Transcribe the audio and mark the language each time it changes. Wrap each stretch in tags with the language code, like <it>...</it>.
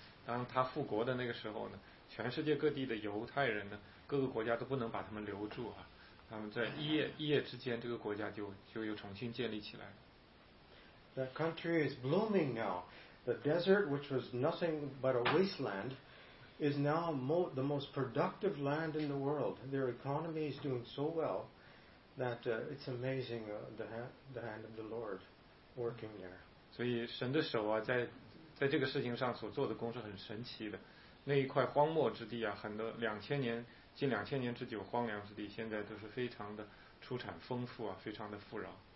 <zh>当他复国的那个时候呢，全世界各地的犹太人呢，各个国家都不能把他们留住啊，他们在一夜之间，这个国家就又重新建立起来。</zh> <en>The country is blooming now. The desert, which was nothing but a wasteland. Is now the most productive land in the world. Their economy is doing so well that it's amazing the hand of the Lord working there.</en> <zh>所以神的手啊，在这个事情上所做的工是很神奇的。那一块荒漠之地啊，很多近两千年之久荒凉之地，现在都是非常的出产丰富啊，非常的富饶。</zh>